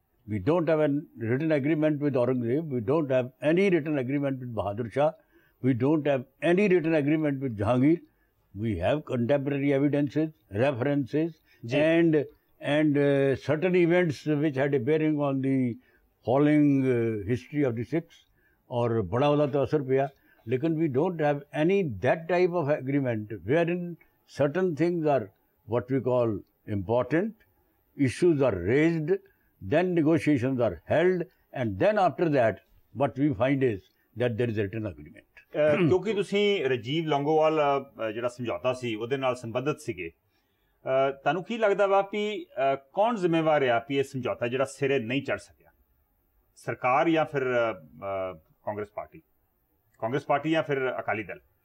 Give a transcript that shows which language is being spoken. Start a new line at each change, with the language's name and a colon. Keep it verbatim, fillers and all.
English: We don't have an written agreement with Aurangzeb, we don't have any written agreement with Bahadur Shah, we don't have any written agreement with Jahangir. We have contemporary evidences, references, Jee. and and uh, certain events which had a bearing on the following uh, history of the Sikhs, or
Punjabi: bada wala to asar paya, lekin
English: we don't have any that type of agreement wherein certain things are what we call important, issues are raised, then negotiations are held, and then after that what we find is that there is a written agreement.
Punjabi: ਕਿਉਂਕਿ ਤੁਸੀਂ ਰਾਜੀਵ ਲੌਂਗੋਵਾਲ ਜਿਹੜਾ ਸਮਝੌਤਾ ਸੀ ਉਹਦੇ ਨਾਲ ਸੰਬੰਧਿਤ ਸੀਗੇ, ਤੁਹਾਨੂੰ ਕੀ ਲੱਗਦਾ ਵਾ ਵੀ ਕੌਣ ਜ਼ਿੰਮੇਵਾਰ ਆ ਵੀ ਇਹ ਸਮਝੌਤਾ ਜਿਹੜਾ ਸਿਰੇ ਨਹੀਂ ਚੜ੍ਹ ਸਕਿਆ? ਸਰਕਾਰ ਜਾਂ ਫਿਰ ਕਾਂਗਰਸ ਪਾਰਟੀ ਕਾਂਗਰਸ ਪਾਰਟੀ ਜਾਂ ਫਿਰ ਅਕਾਲੀ ਦਲ?